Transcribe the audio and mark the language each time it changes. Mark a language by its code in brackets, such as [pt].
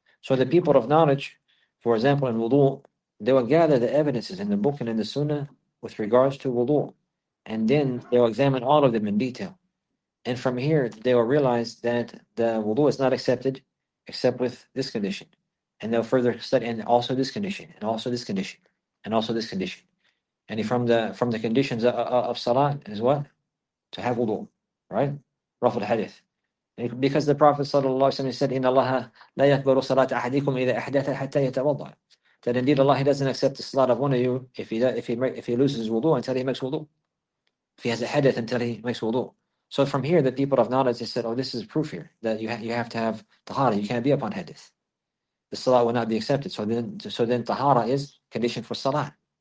[en] So the people of knowledge, for example in wudu, they will gather the evidences in the book and in the sunnah with regards to wudu, and then they will examine all of them in detail, and from here they will realize that the wudu is not accepted except with this condition, and they'll further study and also this condition and also this condition and also this condition. And from the conditions of salah is what? To have wudu, right? Rafa al-hadith. Because the Prophet ﷺ said, [ar] إِنَّ اللَّهَ لَا يَكْبَرُ صَلَاةَ أَحَدِيكُمْ إِذَا أَحْدَثَ حَتَّى يَتَوَضَّعَ. [en] That indeed Allah, He doesn't accept the salah of one of you if he loses his wudu until he makes wudu. If he has a hadith until he makes wudu. So from here, the people of knowledge, they said, oh, this is proof here that you have to have tahara. You can't be upon hadith. The salah will not be accepted. So then tahara is condition for salah.